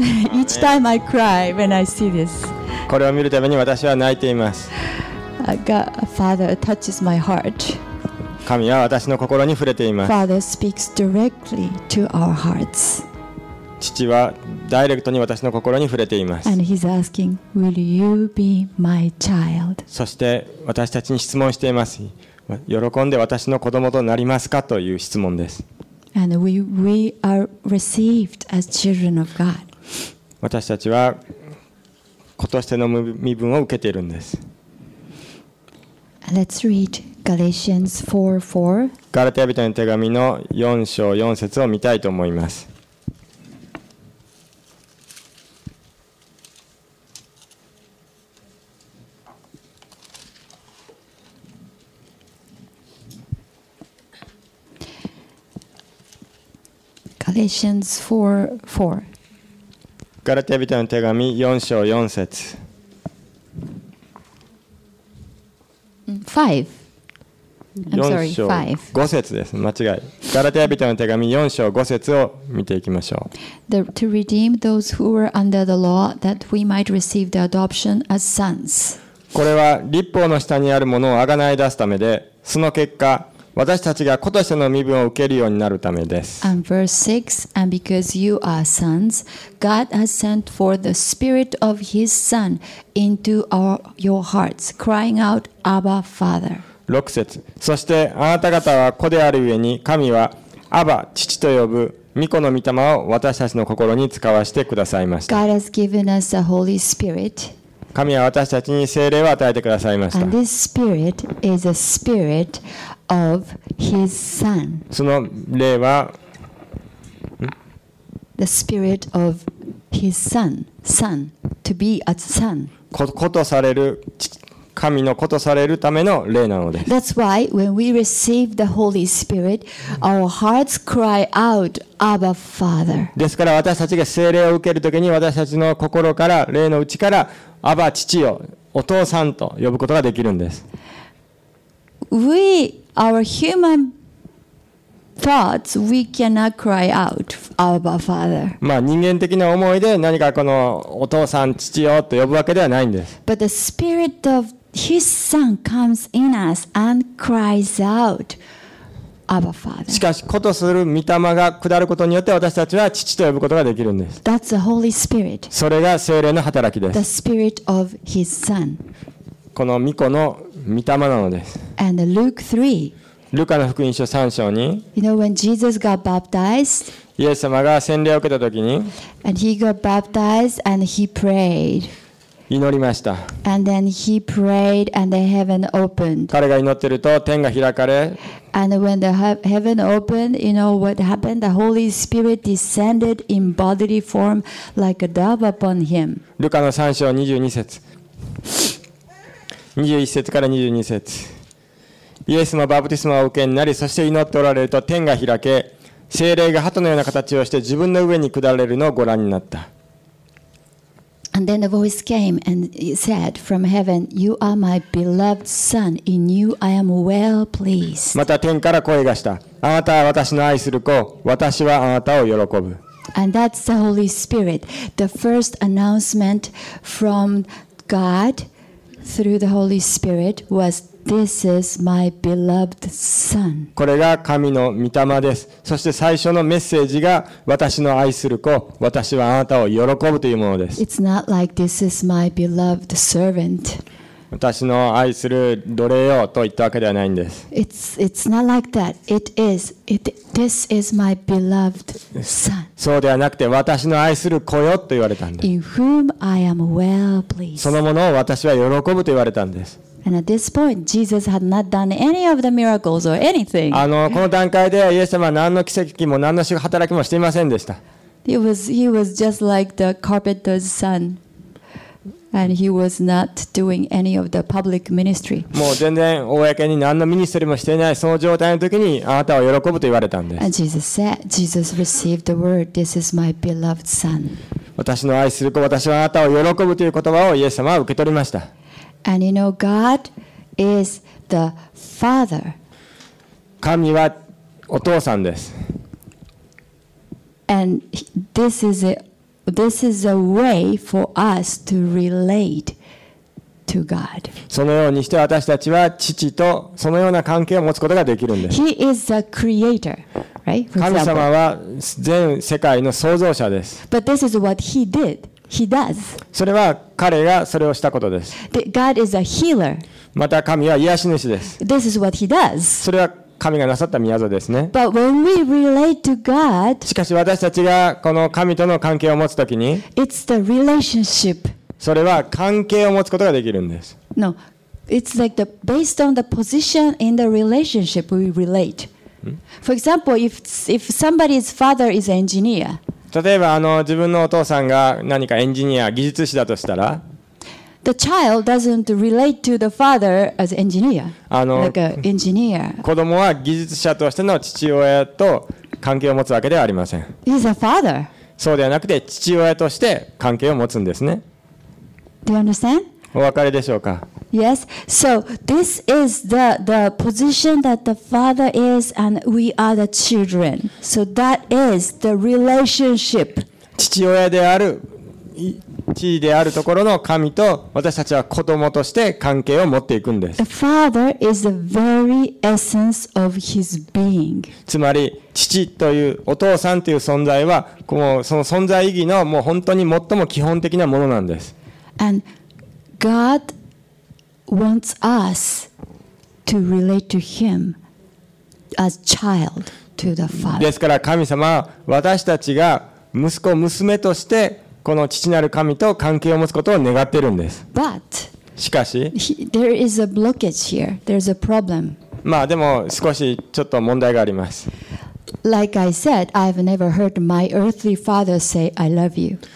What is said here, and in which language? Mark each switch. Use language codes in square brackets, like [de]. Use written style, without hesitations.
[en] Each time I cry when I see this. [ja] これを見るために私は泣いています。 [en] Father touches my heart. [ja] 神は私の心に触れています。 [en] Father speaks directly to our hearts. [ja] 父はダイレクトに私の心に触れています。 [en] And he's asking, Will you be my child? [ja] そして私たちに質問しています。喜んで私の子供となりますかという質問です。 [en] And we are received as children of God. [ja] 私たちは子としての身分を受けているんです。 [en] Let's read Galatians 4:4. [ja] ガラテヤ人への手紙の4章4節を見たいと思います。 [en] Galatians 4:4. [ja] ガラテヤ人への手紙4章4節。 5 節です。間違い。ガラテヤ人の手紙4章5節を見ていきましょう。 [en] To redeem those who were under the law, that we might receive the adoption as sons. [ja] これは律法の下にあるものを贖い出すためで、その結果、私たちが子としての身分を受けるようになるためです。 [en] And verse 6, and because you are sons, God has sent for the Spirit of His Son into your hearts, crying out, Abba, Father. [ja] 6節、そしてあなた方は子である上に、神はアバ、父と呼ぶ御子の御霊を私たちの心に使わせてくださいました。 [en] God has given us the Holy Spirit. [ja] 神は私たちに聖霊を与えてくださいました。 [en] And this Spirit is a Spirit. Of his son. [ja] その霊は、 [en] The spirit of his son, son, to be a son. [ja] 子とされる、神の子とされるための霊なのです。 [en] That's why when we receive the Holy Spirit, our hearts cry out, Abba, Father. [ja] ですから私たちが聖霊を受けるときに私たちの心から、霊の内から、アバ、父よ、お父さんと呼ぶことができるんです。 [en] Our human thoughts, we cannot cry out, Abba, Father. [ja] まあ人間的な思いで何かこのお父さん父よと呼ぶわけではないんです。 [en] But the spirit of His Son comes in us and cries out, Abba, Father. [ja] しかし子とする御霊が下ることによって私たちは父と呼ぶことができるんです。 [en] That's the Holy Spirit. [ja] それが聖霊の働きです。 [en] The spirit of His Son. [ja] この御子の御霊なのです。 [en] And Luke 3, [ja] ルカの福音書3章に、 [en] you know, when Jesus got baptized, [ja] イエス様が洗礼を受けた時に、 [en] and he got baptized and he prayed, [ja] 祈りました。 [en] And then he prayed and the heaven opened. [ja] 彼が祈っていると天が開かれ、 [en] and when the heaven opened, you know what happened? The Holy Spirit descended in bodily form like a dove upon him. [ja] ルカの3章22節。 21節から22節、イエスのバプティスマを受けになり、そして祈っておられると天が開け、聖霊が鳩のような形をして自分の上に下れるのをご覧になった。 [en] And then a voice came and said from heaven, You are my beloved son, in you I am well pleased. [ja] また天から声がした、あなたは私の愛する子、私はあなたを喜ぶ。 [en] And that's the Holy Spirit, the first announcement from GodThrough the Holy Spirit was, This is my beloved son. [ja] これが神の御霊です。そして最初のメッセージが、私の愛する子、私はあなたを喜ぶというものです。 [en] It's not like, This is my beloved servant. [ja] 私の愛する奴隷よと言ったわけではないんです。 [en] It's not like that. This is my beloved son. [ja] そうではなくて、私の愛する子よと言われたんです。 [en] In whom I am well pleased. [ja] そのものを私は喜ぶと言われたんです。 [en] And at this point, Jesus had not done any of the miracles or anything. [ja] この段階ではイエス様は何の奇跡も何の働きもしていませんでした。 [en] He was just like the carpenter's son. And he was not doing any of the public ministry. [ja] もう全然公に何のミニストリーもしていない、その状態の時にあなたは喜ぶと言われたんです。 [en] And Jesus said, Jesus received the word, This is my beloved son. [ja] 私の愛する子、私はあなたを喜ぶという言葉をイエス様は受け取りました。 [en] And you know, God is the father. [ja] 神はお父さんです。 [en] And this is itThis is a way for us to relate to God. [ja] そのようにして私たちは父とそのような関係を持つことができるんです。 [en] He is the creator, right? [ja] 神様は全世界の創造者です。 [en] But this is what he did. He does. [ja] それは彼がそれをしたことです。 [en] God is a healer. [ja] また神は癒し主です。 [en] This is what he does. [ja] それは神がなさった御業ですね。 [en] But when we relate to God, [ja] しかし私たちがこの神との関係を持つときに、 [en] it's the relationship. [ja] それは関係を持つことができるんです。 [en] No, it's like the based on the position in the relationship we relate. For example, if somebody's father is an engineer, [ja] 例えば自分のお父さんが何かエンジニア、技術士だとしたら、 [en] the child doesn't relate to the father as engineer, like an engineer. [ja] 子供は技術者としての父親と関係を持つわけではありません。 [en] He's a father. [ja] そうではなくて父親として関係を持つんですね。 [en] Do you understand? [ja] お分かりでしょうか。 [en] Yes. So this is the position that the father is, and we are the children. So that is the relationship. [ja] 父親である。地位であるところの神と私たちは子供として関係を持っていくんです。 [en] The father is the very essence of his being. [ja] つまり父というお父さんという存在はこのその存在意義のもう本当に最も基本的なものなんです。 [en] And God wants us to relate to him as child to the father. [ja] ですから神様は私たちが息子娘としてこの父なる神と関係を持つことを願っているんです。 [en] But, [ja] しかし、 [en] there is a blockage here. There's a problem. [ja] まあでも少しちょっと問題があります。 [en] Like I said, I've never heard my earthly father say, I love you.